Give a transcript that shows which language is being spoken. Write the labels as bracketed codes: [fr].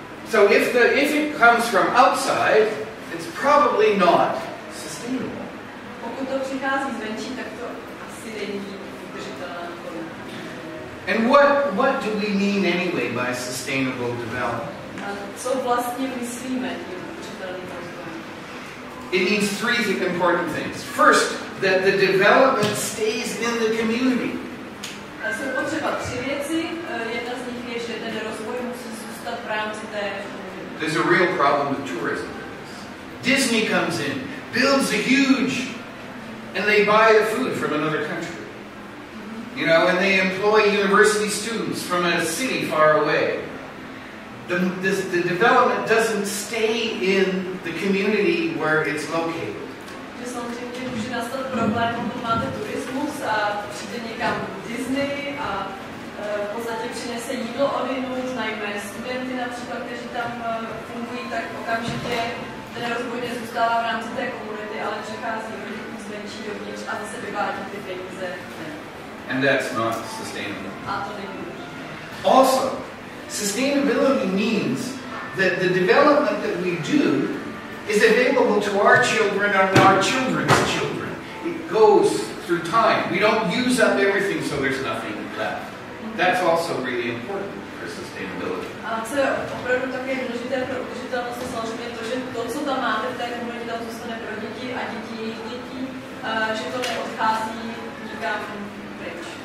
[en] So if it comes from outside, it's probably not sustainable. [cs] Pokud to přichází zvenčí, tak to asi není udržitelné. [en] And what do we mean anyway by sustainable development? [cs] Co vlastně myslíme tím udržitelným rozvojem? [en] It means three important things. First, that the development stays in the community. [cs] Jsou potřeba tři věci. Jedna z nich je, že ten rozvoj musí zůstat v rámci té. [en] There's a real problem with tourism. Disney comes in, builds a huge, and they buy the food from another country. You know, and they employ university students from a city far away. The development doesn't stay in the community where it's located. [cs] Že samozřejmě může nastat problém, pokud máte turismus a přijde někam Disney a v podstatě přinese jídlo odinut, najme studenty například, kteří tam fungují, tak okamžitě ten rozvoj nezůstává v rámci té komunity, ale přechází lidi zvenčí dovnitř a zase vyvádí ty peníze. [en] And that's not sustainable. [cs] A to není. [en] Also, sustainability means that the development that we do is available to our children and our children's children. It goes through time. We don't use up everything so there's nothing left. That's also really important for sustainability. [cs] A co je opravdu také důležité pro udržitelnost, samozřejmě to, že to, co tam máte v té komunitě, tam zůstane pro děti a děti jejich dětí, že to neodchází nikam pryč.